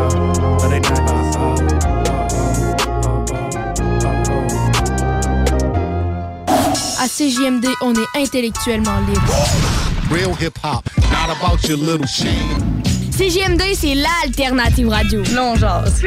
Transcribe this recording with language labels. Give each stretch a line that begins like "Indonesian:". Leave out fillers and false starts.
English: No, they not in sync. No, they not in sync. No, no. No, they not in sync.
French: À CJMD, on est intellectuellement libre.
English: Real hip hop, not about your little shame.
French: CJMD, c'est l'alternative radio. Non, genre.